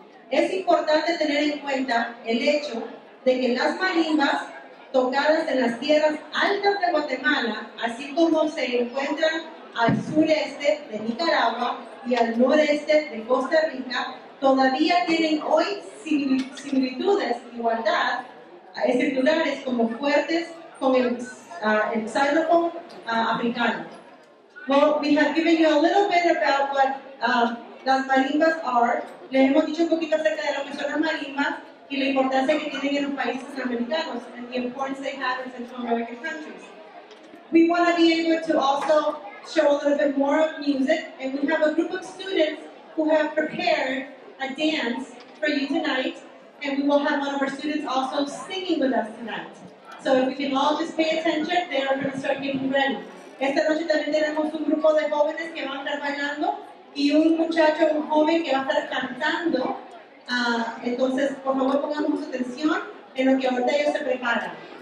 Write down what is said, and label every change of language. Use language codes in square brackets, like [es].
[es] Es importante tener en cuenta el hecho de que las marimbas tocadas en las tierras altas de Guatemala, así como se encuentran al sureste de Nicaragua y al noreste de Costa Rica, todavía tienen hoy similitudes, igualdad, estructurales como fuertes con el xylophone africano. [en] Well, we have given you a little bit about what las marimbas are. [es] Les hemos dicho un poquito acerca de lo que son las marimbas y la importancia que tienen en los países americanos [en] and the importance they have in Central American countries. We want to be able to also show a little bit more of music, and we have a group of students who have prepared a dance for you tonight, and we will have one of our students also singing with us tonight. So if we can all just pay attention, they are going to start getting ready. [es] Esta noche también tenemos un grupo de jóvenes que van a estar bailando y un muchacho, un joven que va a estar cantando. Entonces, por favor, pongamos atención en lo que ahorita ellos se preparan.